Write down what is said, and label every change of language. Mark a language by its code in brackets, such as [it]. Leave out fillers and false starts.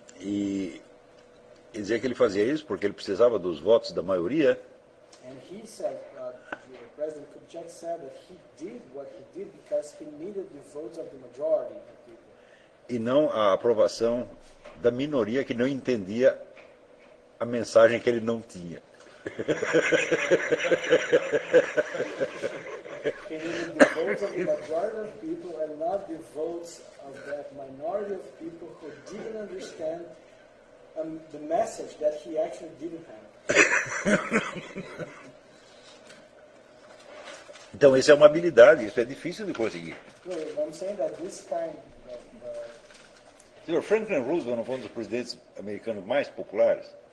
[pt] E dizia que ele fazia isso porque ele precisava dos votos da maioria. [en] And he said, President Kubitschek said that he did what he did because he needed the votes of the majority of people. [pt] E não a aprovação da minoria que não entendia a mensagem que ele não tinha. [en] He needed the votes of the majority of people and not the votes of that minority of people who didn't understand the message that he actually didn't have. [pt] Então, isso é uma habilidade, isso é difícil de conseguir. [en] I'm saying that this kind of... [pt] Senhor, Franklin Roosevelt foi um dos presidentes americanos mais populares.